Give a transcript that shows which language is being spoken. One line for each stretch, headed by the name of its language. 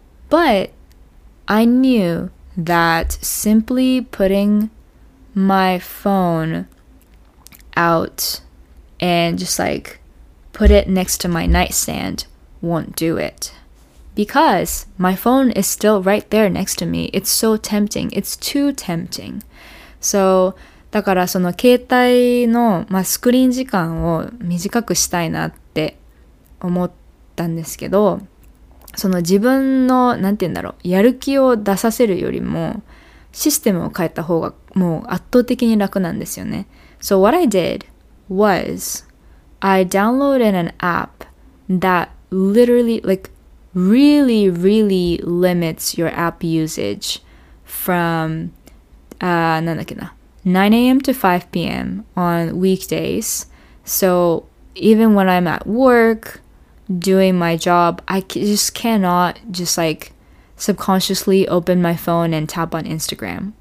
English: But I knew that simply putting my phone out and just like put it next to my nightstand won't do it. Because my phone is still right there next to me. It's so tempting. It's too tempting.
Japanese: So, だからその携帯の、まあ、スクリーン時間を短くしたいなって思ったんですけど、その自分の、なんて言うんだろう、やる気を出させるよりも、システムを変えた方がもう圧倒的に楽なんですよね。
English: So what I did was, I downloaded an app that literally, like,really, really limits your app usage from 9 a.m. to 5 p.m. on weekdays. So even when I'm at work doing my job, I just cannot just like subconsciously open my phone and tap on Instagram.